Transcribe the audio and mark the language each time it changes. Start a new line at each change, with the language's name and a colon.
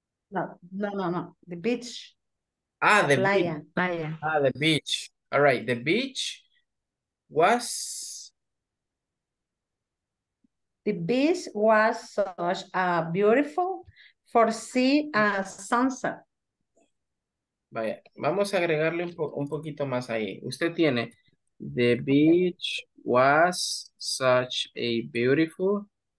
English: No. The beach. Ah, the
Spanish: playa.
English: Beach. Ah, the beach. All right. The beach was. The beach was such a beautiful for sea and sunset.
Spanish: Vaya, vamos a agregarle un poquito más ahí. Usted tiene,
English: the beach was such a beautiful.